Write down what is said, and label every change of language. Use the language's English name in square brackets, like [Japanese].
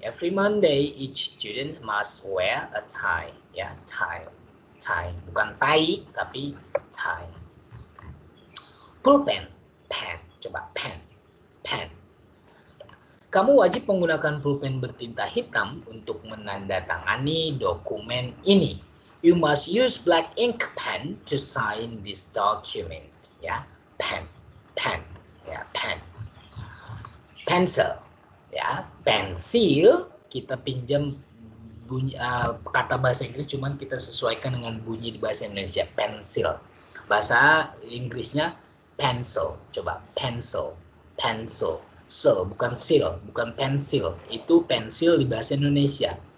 [English] Every Monday, each student must wear a tie. Ya, tie. Tie. [Indonesian] Bukan tai, tapi tie. Pull pen. Pen. Coba, pen. Pen. Kamu wajib menggunakan pulpen bertinta hitam untuk menandatangani dokumen ini. [English] You must use black ink pen to sign this document. [Indonesian] Ya, pen. Pen. Ya, pen. Pencil. Ya, pensil, kita pinjam bunyi, kata bahasa Inggris, cuman kita sesuaikan dengan bunyi di bahasa Indonesia, pensil. Bahasa Inggrisnya pencil, coba pencil, pencil, sil, bukan sil, bukan pensil, itu pensil di bahasa Indonesia.